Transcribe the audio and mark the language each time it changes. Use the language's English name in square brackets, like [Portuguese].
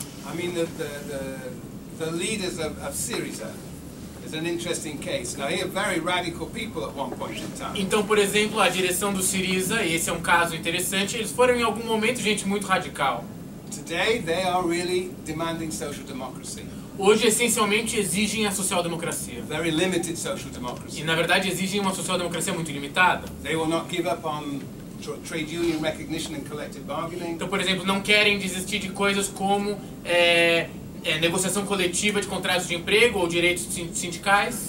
[English] I mean the leaders of Syriza is an interesting case. Now, they are very radical people at one point in time. [Portuguese] Então, por exemplo, a direção do Syriza, esse é um caso interessante, eles foram em algum momento gente muito radical. [English] Today they are really demanding social democracy. [Portuguese] Hoje, essencialmente, exigem a social-democracia. [English] Very limited social democracy. [Portuguese] E, na verdade, exigem uma social-democracia muito limitada. [English] They will not give up on trade union recognition and collective bargaining. [Portuguese] Então, por exemplo, não querem desistir de coisas como negociação coletiva de contratos de emprego ou direitos sindicais.